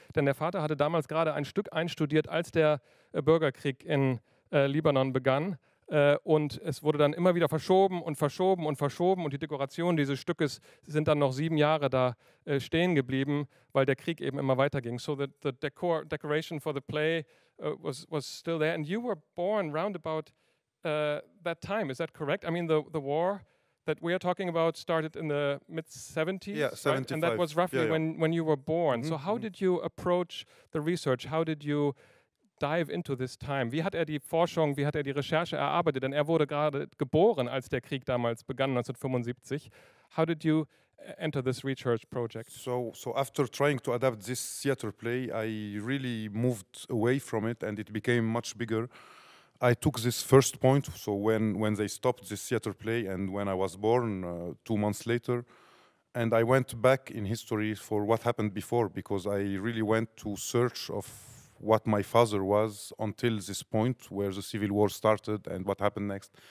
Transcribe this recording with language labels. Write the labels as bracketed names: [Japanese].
[German] Denn der Vater hatte damals gerade ein Stück einstudiert, als der Bürgerkrieg in Libanon begann. Und es wurde dann immer wieder verschoben und verschoben und verschoben und die Dekorationen dieses Stückes sind dann noch 7 Jahre da stehen geblieben, weil der Krieg eben immer weiterging. [English] So the decoration for the play was still there. And you were born round about that time, is that correct? I mean the war that we are talking about started in the mid-70s? Yeah, 75. Right? And that was roughly when you were born. Mm-hmm. So how did you approach the research? How did you dive into this time? [German] Wie hat er die Forschung, wie hat er die Recherche erarbeitet? Denn er wurde gerade geboren, als der Krieg damals begann, 1975. [English] How did you enter this research project? So after trying to adapt this theater play, I really moved away from it and it became much bigger. I took this first point, so when they stopped this theater play and when I was born 2 months later, and I went back in history for what happened before, because I really went to search of what my father was until this point where the Civil War started and what happened next.